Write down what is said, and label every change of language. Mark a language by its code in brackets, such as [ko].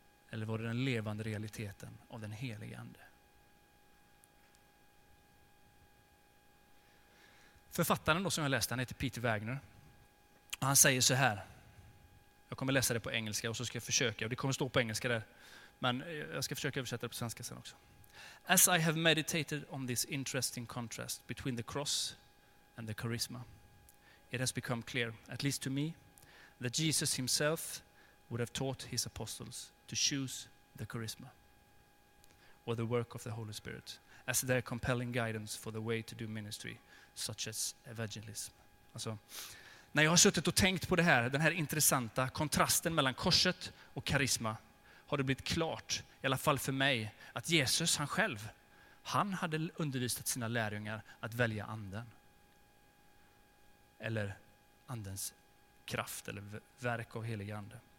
[sv] Eller var det den levande realiteten av den helige ande? Författaren då som jag läste, han heter Peter Wagner. Och han säger så här. Jag kommer läsa det på engelska och så ska jag försöka. Och det kommer stå på engelska där. Men jag ska försöka översätta det på svenska sen också. [en] As I have meditated on this interesting contrast between the cross and the charisma, it has become clear, at least to me, that Jesus himself would have taught his apostles to choose the charisma or the work of the Holy Spirit as their compelling guidance for the way to do ministry, such as evangelism. [sv] Alltså, när jag har suttit och tänkt på det här, den här intressanta kontrasten mellan korset och karisma, har det blivit klart, i alla fall för mig, att Jesus, han själv, han hade undervisat sina lärjungar att välja anden. Eller andens kraft, eller verk av helige ande.